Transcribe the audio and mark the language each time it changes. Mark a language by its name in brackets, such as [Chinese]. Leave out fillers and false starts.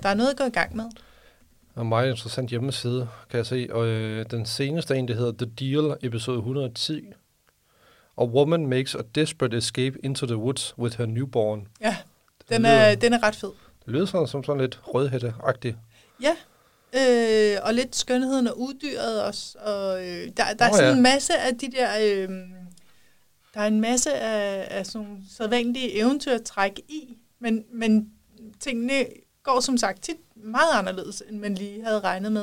[Danish] Der er noget at gå i gang med. En meget interessant hjemmeside, kan jeg se. Og den seneste en, det hedder The Deal, episode 110. [English] A woman makes a desperate escape into the woods with her newborn. [Danish] Ja, den er ret fed. Det lyder sådan, som sådan lidt rødhætte-agtigt. Ja, og lidt skønheden og uddyret også. Og, der er sådan en masse af de der... Der er en masse af sådan sædvanlige eventyrtræk i, men tingene går som sagt tit meget anderledes, end man lige havde regnet med.